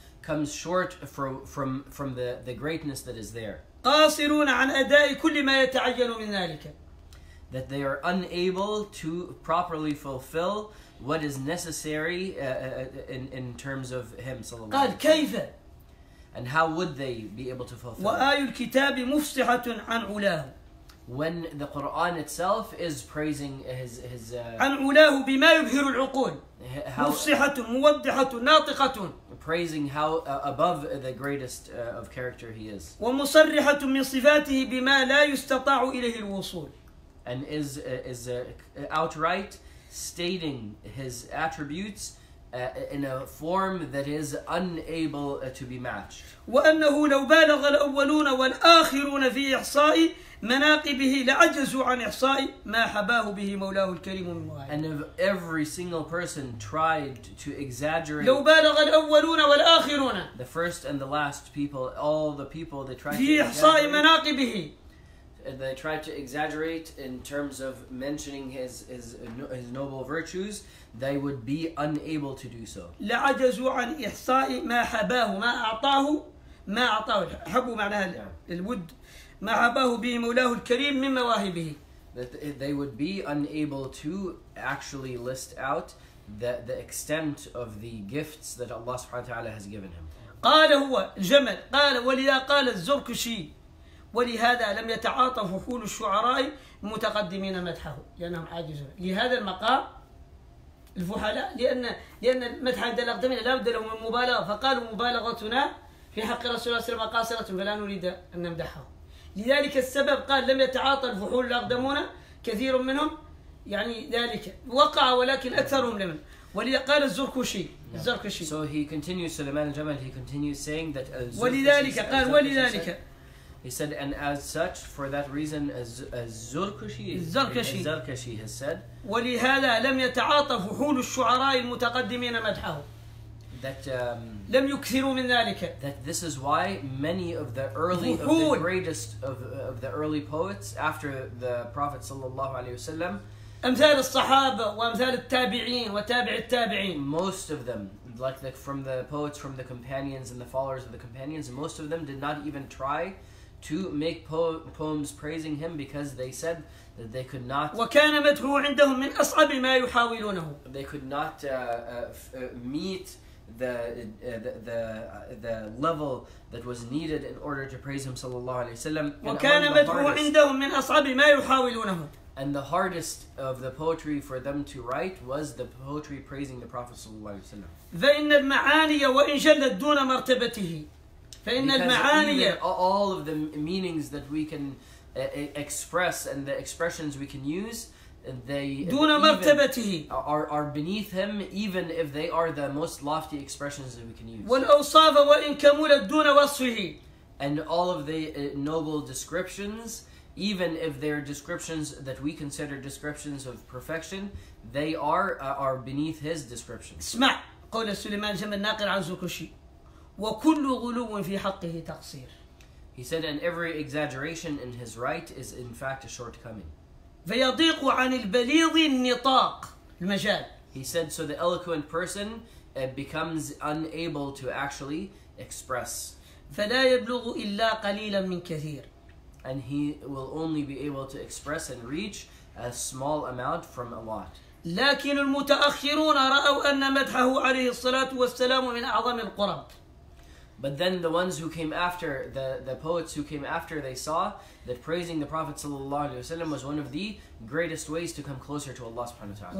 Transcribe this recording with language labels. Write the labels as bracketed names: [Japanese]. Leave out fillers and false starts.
[English] Comes short from the greatness that is there. [Arabic] قاصرون عن أداء كل ما يتعين من ذلك. [English] That they are unable to properly fulfill what is necessary in terms of him. [Arabic] قال كيف [English] And how would they be able to fulfill? [Arabic] وآي الكتاب مفصحة عن علاه. [English] When the Quran itself is praising his [Arabic] عن علاه بما يبهر العقول. مفصحة موضحة ناطقة. [English] Praising how above the greatest of character he is. [Arabic] ومصرحة من صفاته بما لا يستطاع إليه الوصول. [English] And is outright stating his attributes in a form that is unable to be matched. [Arabic] وأنه لو بالغ الأولون والآخرون في إحصاء مناقبه لعجزوا عن إحصاء ما حباه به مولاه الكريم من معين. [English] And if every single person tried to exaggerate. [Arabic] لو بالغ الأولون والآخرون. [English] The first and the last people, all the people that tried. [Arabic] في إحصاء مناقبه. [English] And they tried to exaggerate in terms of mentioning his noble virtues, they would be unable to do so. [Arabic] لعجزوا عن إحصاء ما حباه ما أعطاه ما أعطاه حبوا معناها الود ما حباه به مولاه الكريم من مواهبه. [English] That they would be unable to actually list out the extent of the gifts that Allah سبحانه وتعالى has given him. [Arabic] قال هو جمل قال ولذا قال الزركشي ولهذا لم يتعاطى فحول الشعراء متقدمين مدحه لأنهم عاجزون لهذا المقام الفحلاء لأن المدح عند الأقدمين لا بد لهم من مبالغة فقالوا مبالغتنا في حق رسول الله صلى الله عليه وسلم قاصرة فلا نريد أن نمدحه لذلك السبب قال لم يتعاطى الفحول الأقدمون كثير منهم يعني ذلك وقع ولكن أكثرهم لم ولقال الزركشي الزركشي [English] so he continues سليمان الجمل he continues saying that [Arabic] ولذلك قال ولذلك [English] He said, and as such, for that reason, as Zarkashi has said, [Arabic] ولهذا لم يتعاطف حول الشعراء المتقدمين مدحه. [English] That [Arabic] لم يكثروا من ذلك. [English] That this is why many of the early, of the greatest of the early poets after the Prophet صلى الله عليه وسلم. [Arabic] أمثال الصحابة وأمثال التابعين وتابع التابعين. [English] Most of them. Like from the poets, from the companions and the followers of the companions, most of them did not even try to make poems praising him because they said that they could not. [Arabic] وكان مدحه عندهم من أصعب ما يحاولونه. [English] They could not meet the level that was needed in order to praise him صلى الله عليه وسلم. [Arabic] وكان مدحه عندهم من أصعب ما يحاولونه. [English] And the hardest of the poetry for them to write was the poetry praising the Prophet صلى الله عليه وسلم. [Arabic] فإن المعاني وإن جلت دون مرتبته. فإن المعاني. [English] All of the meanings that we can express and the expressions we can use, they [Arabic] دون مرتبته. [English] Are beneath him even if they are the most lofty expressions that we can use. [Arabic] والأوصاف وإن كملت دون وصفه. [English] And all of the noble descriptions. Even if they're descriptions that we consider descriptions of perfection, they are beneath his description. [Arabic] اسمع قول سليمان جمل الناقل عن زركشي وكل غلو في حقه تقصير. [English] He said, and every exaggeration in his right is in fact a shortcoming. [Arabic] فيضيق عن البليظ النطاق المجال. [English] He said, so the eloquent person becomes unable to actually express. [Arabic] فلا يبلغ إلا قليلا من كثير. [English] And he will only be able to express and reach a small amount from a lot. [Arabic] لكن المتأخرون رأوا أن مدحه عليه الصلاة والسلام من أعظم القرب. [English] But then the ones who came after, the poets who came after, they saw that praising the Prophet صلى الله عليه وسلم was one of the greatest ways to come closer to Allah سبحانه وتعالى.